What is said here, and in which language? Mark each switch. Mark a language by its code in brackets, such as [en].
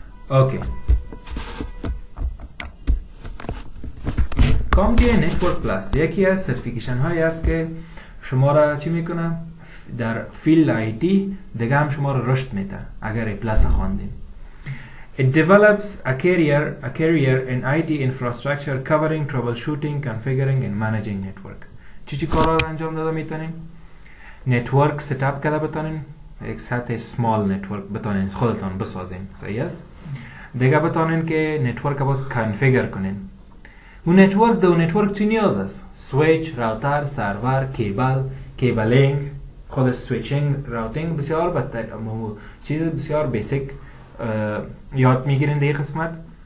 [fa] اوکی کامتی نتورک پلاس یکی از سرفیکیشن هایی است که شما را چی میکنم؟ در فیلد IT دیگه هم شما را رشد میده اگر A+ خواندین. [en] It develops a career in IT infrastructure covering troubleshooting, configuring and managing network. [fa] چی کارا انجام داده میتونین؟ Network setup کرده بتونین، یک سطح small network بتونین خودتان بسازین، صحیح است؟ دیگه بتونین که network باز کانفیگر کنین. اون network دو network چی نیاز است؟ Switch, router, server, cabling، خود switching, routing بسیار بتر چیز بسیار basic یاد میگیرین در قسمت.